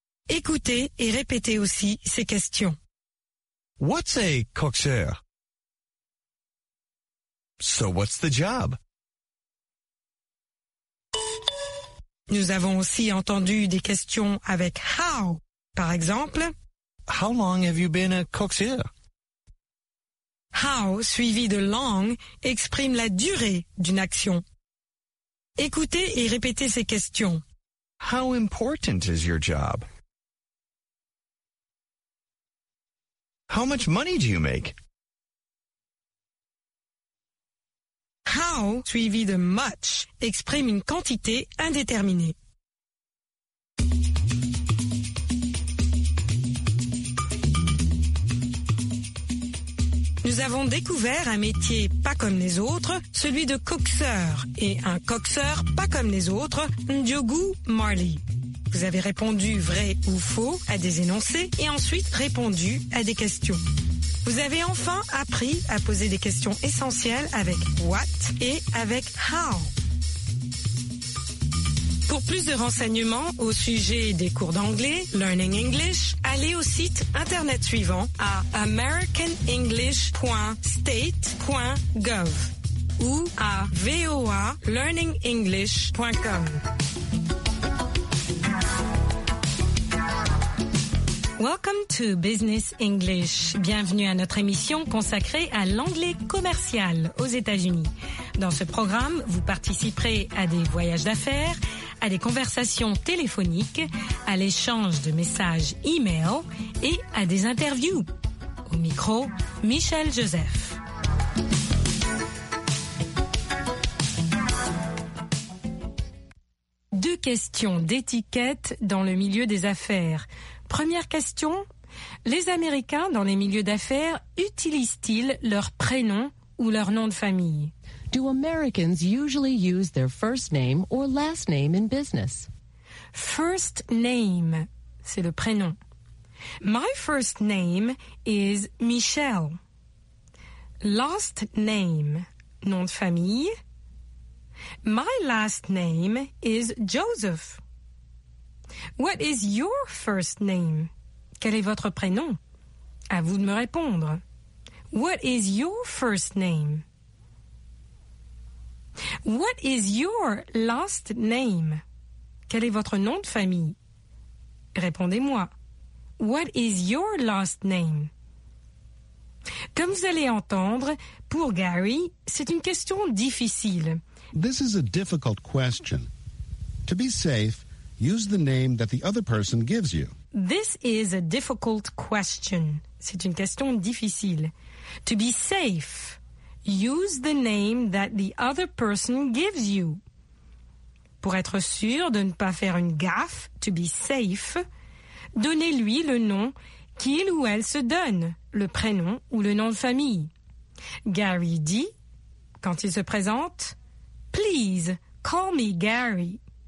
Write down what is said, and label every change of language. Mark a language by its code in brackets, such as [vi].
[fr] Écoutez et répétez aussi ces questions. [en] What's a coxeur? So what's the job? [fr] Nous avons aussi entendu des questions avec how. Par exemple, [en] how long have you been a coxeur? [fr] How, suivi de long, exprime la durée d'une action. Écoutez et répétez ces questions. [en] How important is your job? How much money do you make? [fr] How, suivi de much, exprime une quantité indéterminée. Nous avons découvert un métier pas comme les autres, celui de coxeur, et un coxeur pas comme les autres, Ndiogu Marley. Vous avez répondu vrai ou faux à des énoncés et ensuite répondu à des questions. Vous avez enfin appris à poser des questions essentielles avec what et avec how. Pour plus de renseignements au sujet des cours d'anglais, Learning English, allez au site internet suivant à americanenglish.state.gov ou à voalearningenglish.com. [en] Welcome to Business English. [fr] Bienvenue à notre émission consacrée à l'anglais commercial aux États-Unis. Dans ce programme, vous participerez à des voyages d'affaires, à des conversations téléphoniques, à l'échange de messages e-mail et à des interviews. Au micro, Michel Joseph. Deux questions d'étiquette dans le milieu des affaires. Première question, les Américains dans les milieux d'affaires utilisent-ils leur prénom ou leur nom de famille? [en] Do Americans usually use their first name or last name in business? First name, [fr] c'est le prénom. [en] My first name is Michel. Last name, [fr] nom de famille. [en] My last name is Joseph. What is your first name? [fr] Quel est votre prénom? À vous de me répondre. [en] What is your first name? What is your last name? [fr] Quel est votre nom de famille? Répondez-moi. [en] What is your last name? [fr] Comme vous allez entendre, pour Gary, c'est une question difficile. [en] This is a difficult question. To be safe, use the name that the other person gives you. This is a difficult question. [fr] C'est une question difficile. [en] To be safe, use the name that the other person gives you. [fr] Pour être sûr de ne pas faire une gaffe, [en] to be safe, [fr] donnez-lui le nom qu'il ou elle se donne, le prénom ou le nom de famille. Gary dit, quand il se présente, [en] Please, call me Gary.